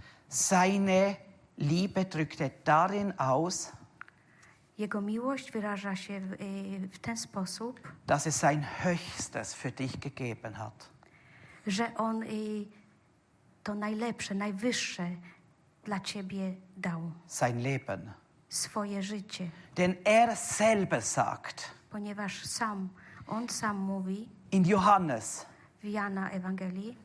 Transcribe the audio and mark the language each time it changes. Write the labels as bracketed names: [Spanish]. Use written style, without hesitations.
[German] Seine Liebe drückt er darin aus, [Polish] jego miłość wyraża się w ten sposób, [German] dass es sein Höchstes für dich gegeben hat. [Polish] Że on to najlepsze, najwyższe dla ciebie dał. [German] Sein Leben. [Polish] Swoje życie. [German] Denn er selber sagt, [Polish] ponieważ sam, on sam mówi, [German] in Johannes, [Polish] w Jana Ewangelii,